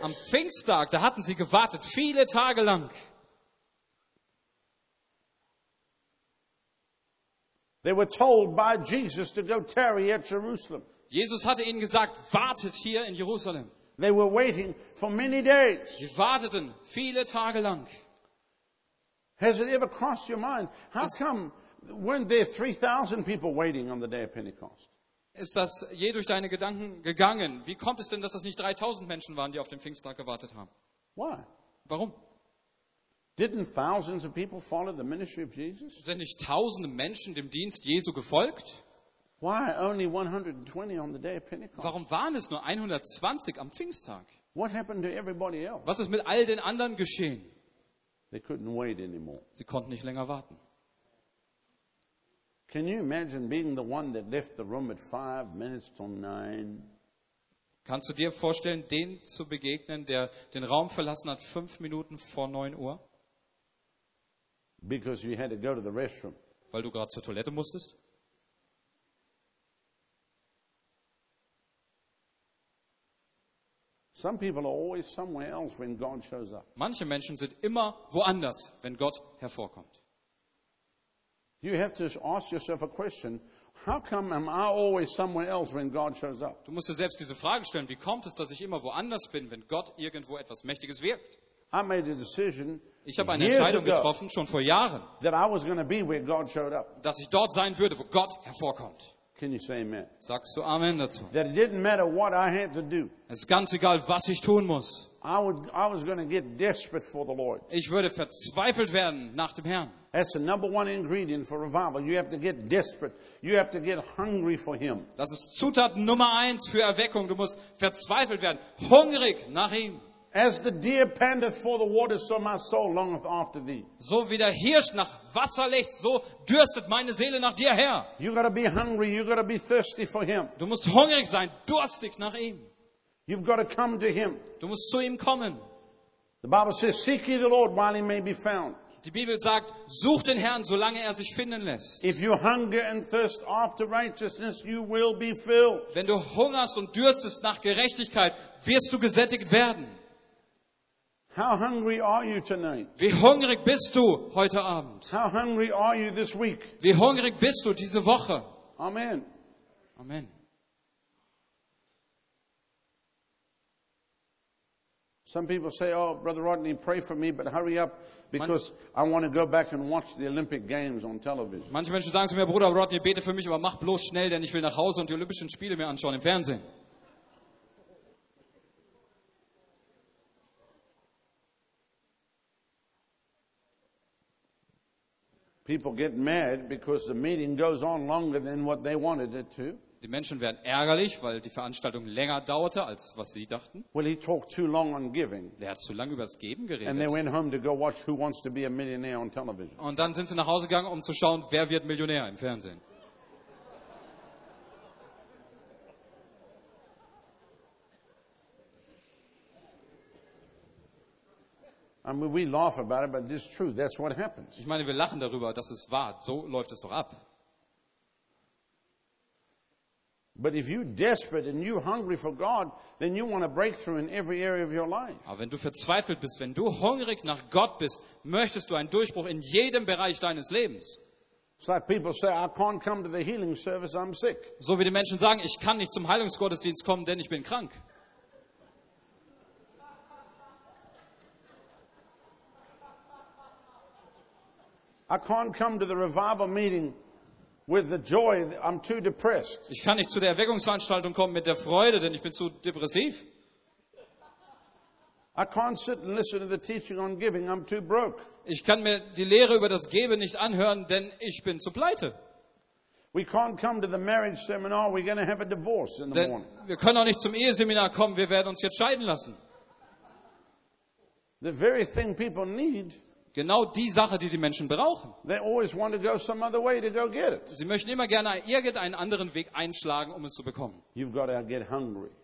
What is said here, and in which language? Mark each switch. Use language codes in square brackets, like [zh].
[de] Am Pfingsttag, da hatten sie gewartet viele Tage lang. [en] They were told by Jesus to go tarry at Jerusalem. [de] Jesus hatte ihnen gesagt, wartet hier in Jerusalem. [en] They were waiting for many days. [de] Sie warteten viele Tage lang. [en] Has it ever crossed your mind? How come weren't there 3,000 people waiting on the day of Pentecost? [de] Ist das je durch deine Gedanken gegangen? Wie kommt es denn, dass es nicht 3,000 Menschen waren, die auf den Pfingsttag gewartet haben? [en] Why? [de] Warum? [en] Didn't thousands of people follow the ministry of Jesus? [de] Sind nicht tausende Menschen dem Dienst Jesu gefolgt? [en] Why only 120 on the day of Pentecost? [de] Warum waren es nur 120 am Pfingsttag? [en] What happened to everybody else? [de] Was ist mit all den anderen geschehen? [en] They couldn't wait anymore. [de] Sie konnten nicht länger warten. [en] Can you imagine being the one that left the room at 9:05? [de] Kannst du dir vorstellen, den zu begegnen, der den Raum verlassen hat 9:05? [en] Because you had to go to the restroom. [de] Weil du gerade zur Toilette musstest. [en] Some people are always somewhere else when God shows up. [de] Manche Menschen sind immer woanders, wenn Gott hervorkommt. [en] You have to ask yourself a question: How come am I always somewhere else when God shows up? [de] Du musst dir selbst diese Frage stellen: Wie kommt es, dass ich immer woanders bin, wenn Gott irgendwo etwas Mächtiges wirkt? [en] I made a decision. [de] Ich habe eine Entscheidung getroffen, schon vor Jahren, [en] that I was going to be where God showed up. [de] Dass ich dort sein würde, wo Gott hervorkommt. [en] Can you say amen? [de] Sagst du Amen dazu? [en] That it didn't matter what I had to do. [de] Es ist ganz egal, was ich tun muss. [en] I was going to get desperate for the Lord. [de] Ich würde verzweifelt werden nach dem Herrn. [en] That's the number one ingredient for revival. You have to get desperate. You have to get hungry for Him. [de] Das ist Zutat Nummer 1 für Erweckung. Du musst verzweifelt werden, hungrig nach ihm. [en] As the deer panteth for the water, so my soul longeth after thee. [de] So wie der Hirsch nach Wasser lechzt, so dürstet meine Seele nach dir her. [en] You gotta be hungry, you gotta be thirsty for him. [de] Du musst hungrig sein, durstig nach ihm. [en] You've gotta come to him. [de] Du musst zu ihm kommen. [en] The Bible says, seek ye the Lord while he may be found. [de] Die Bibel sagt, such den Herrn, solange er sich finden lässt. [en] If you hunger and thirst after righteousness, you will be filled. [de] Wenn du hungerst und dürstest nach Gerechtigkeit, wirst du gesättigt werden. [en] How hungry are you tonight? [de] Wie hungrig bist du heute Abend? [en] How hungry are you this week? [de] Wie hungrig bist du diese Woche? [en] Amen. [de] Amen. [en] Some people say, "Oh, Brother Rodney, pray for me, but hurry up, because I want to go back and watch the Olympic Games on television." [de] Manche Menschen sagen zu mir, Bruder Rodney, bete für mich, aber mach bloß schnell, denn ich will nach Hause und die Olympischen Spiele mir anschauen im Fernsehen. [en] People get mad because the meeting goes on longer than what they wanted it to. [de] Die Menschen werden ärgerlich, weil die Veranstaltung länger dauerte als was sie dachten. [en] Well, he talked too long on giving. [de] Er hat zu lange über das Geben geredet. [en] And they went home to go watch Who Wants to Be a Millionaire on television. [de] Und dann sind sie nach Hause gegangen, um zu schauen, wer wird Millionär im Fernsehen. [en] I mean, we laugh about it, but it's true. That's what happens. [de] Ich meine, wir lachen darüber, das ist wahr. So läuft es doch ab. [en] But if you're desperate and you're hungry for God, then you want a breakthrough in every area of your life. [de] Aber wenn du verzweifelt bist, wenn du hungrig nach Gott bist, möchtest du einen Durchbruch in jedem Bereich deines Lebens. [en] It's like people say, I can't come to the healing service, I'm sick. [de] So wie die Menschen sagen, ich kann nicht zum Heilungsgottesdienst kommen, denn ich bin krank. [en] I can't come to the revival meeting with the joy, I'm too depressed. [de] Ich kann nicht zu der Erweckungsveranstaltung kommen mit der Freude, denn ich bin zu depressiv. [en] I can't sit and listen to the teaching on giving, I'm too broke. [de] Ich kann mir die Lehre über das Geben nicht anhören, denn ich bin zu pleite. [en] We can't come to the marriage seminar, we're going to have a divorce in the morning. [de] Wir können auch nicht zum Eheseminar kommen, wir werden uns jetzt scheiden lassen. [en] The very thing people need. [de] Genau die Sache, die die Menschen brauchen. [en] They always want to go some other way to go get it. [de] Sie möchten immer gerne irgendeinen anderen Weg einschlagen, um es zu bekommen. [en] You've got to get hungry.